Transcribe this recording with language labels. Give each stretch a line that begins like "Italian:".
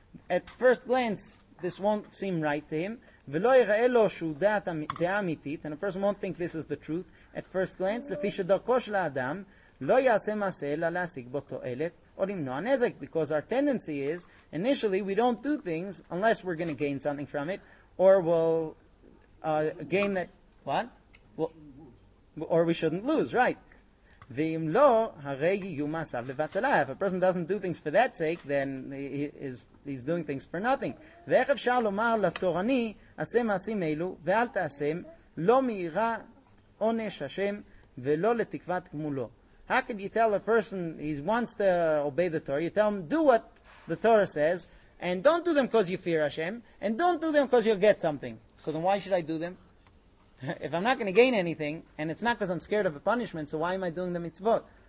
English: at first glance, this won't seem right to him,
Hebrew: ולא יראה לו שהוא דעת אמיתית,
English: and a person won't think this is the truth, at first glance,
Hebrew: לפי שדרכו של האדם, לא יעשה מעשה אלא להשיג בו תועלת,
English: or
Hebrew: למנוע נזק,
English: because our tendency is, initially we don't do things unless we're going to gain something from it, or we'll gain that, what? Well, or we shouldn't lose, right.
Hebrew: ואם לא, הרי יהיו מעשיו לבטלה.
English: If a person doesn't do things for that sake, then he's doing things for nothing.
Hebrew: ואיך אפשר לומר לתורני, עשה מעשים אלו, ואל תעשם, לא מיראת עונש השם, ולא לתקוות גמולו.
English: How can you tell a person he wants to obey the Torah? You tell him, do what the Torah says, and don't do them because you fear Hashem, and don't do them because you'll get something. So then why should I do them? If I'm not going to gain anything, and it's not because I'm scared of a punishment, so why am I doing the mitzvot?